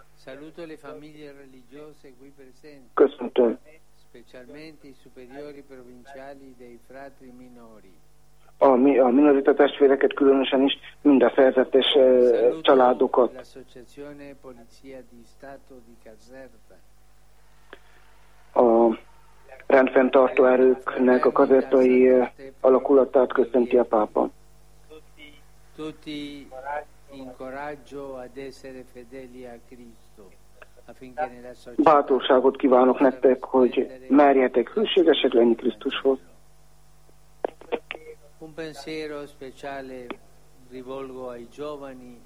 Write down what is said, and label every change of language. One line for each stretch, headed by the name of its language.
Italian: saluto le famiglie religiose qui presenti.
Hungarian: Köszöntöm
Italian: specialmente i superiori provinciali dei frati minori.
Hungarian: a minorita testvéreket különösen is, mind a szerzetes családokat.
Italian: L'Associazione Polizia di Stato di Caserta.
Hungarian: A rendfenntartó erőknek a kazertai alakulatát köszönti a pápa.
Italian: Tutti incoraggio ad essere fedeli a Cristo.
Hungarian: Bátorságot kívánok nektek, hogy merjetek hűségesek lenni Krisztushoz.
Italian: Un pensiero speciale rivolgo ai giovani.